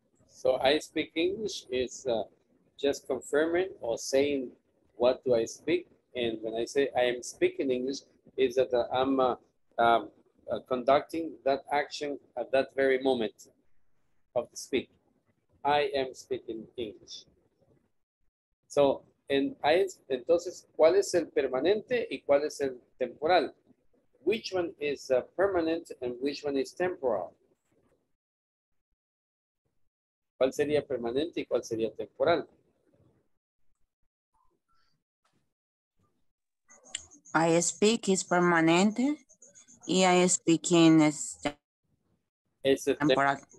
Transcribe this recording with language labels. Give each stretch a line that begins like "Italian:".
English: So I speak English is just confirming or saying what do I speak, and when I say I am speaking English, is that I'm conducting that action at that very moment of the speak. I am speaking English.
Spanish: So, entonces, ¿cuál es el permanente y cuál es el temporal?
English: Which one is permanent and which one is temporal?
Spanish: ¿Cuál sería permanente y cuál sería temporal?
English: I speak is
Spanish: permanente y
English: I speak in is temporal.